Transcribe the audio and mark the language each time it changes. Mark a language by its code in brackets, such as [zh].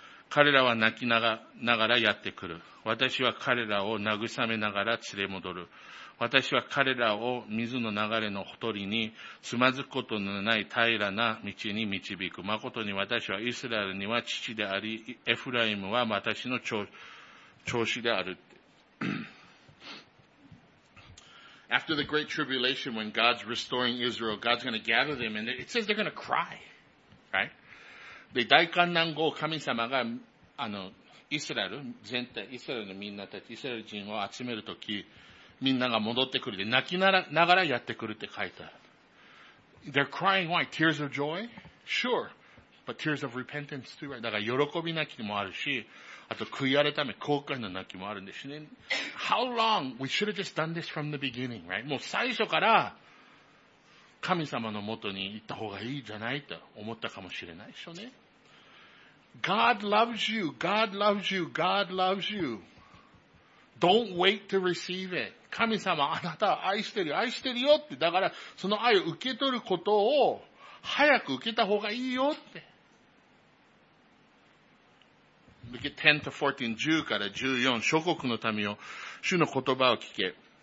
[ja] 彼らは泣きながらやってくる。私は彼らを慰めながら連れ戻る。私は彼らを水の流れのほとりにつまずくことのない平らな道に導く。誠に私はイスラエルには父であり、エフライムは私の長子であるって。 [en] After the great tribulation, when God's restoring Israel, God's going to gather them, and it says they're going to cry, right? [ja] で、大患難後、神様が、あの、イスラエル全体、イスラエルのみんなたち、イスラエル人を集めるとき、みんなが戻ってくるで、泣きながらやってくるって書いてある。 [en] They're crying why? Tears of joy? Sure. But tears of repentance too, right? [ja] だから、喜び泣きもあるし、あと、悔い改め、後悔の泣きもあるんですね。 [en] How long? We should have just done this from the beginning, right? [ja] もう最初から、神様のもとに行った方がいいじゃないと思ったかもしれないでしょうね。 [en] God loves you, God loves you, God loves you. Don't wait to receive it. [ja] 神様、あなたは愛してるよ、愛してるよって。だから、その愛を受け取ることを、早く受けた方がいいよって。 [en] Look at 10-14, [ja] 10から14、諸国の民を、主の言葉を聞け。